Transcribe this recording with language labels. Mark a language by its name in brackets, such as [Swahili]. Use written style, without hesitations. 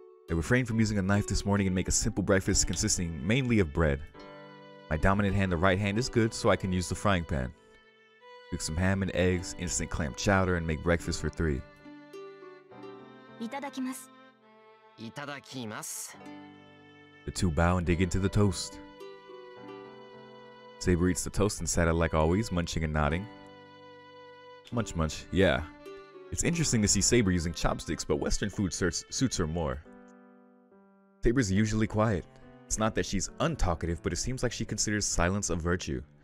[English] I refrain from using a knife this morning and make a simple breakfast consisting mainly of bread. My dominant hand, the right hand, is good, so I can use the frying pan. Cook some ham and eggs, instant clam chowder, and make breakfast for three. [Japanese] いただきます。いただきます。 [English] The two bow and dig into the toast. Saber eats the toast and sat up like always, munching and nodding. Munch munch, yeah. It's interesting to see Saber using chopsticks, but Western food suits her more. Saber's usually quiet. It's not that she's untalkative, but it seems like she considers silence a virtue.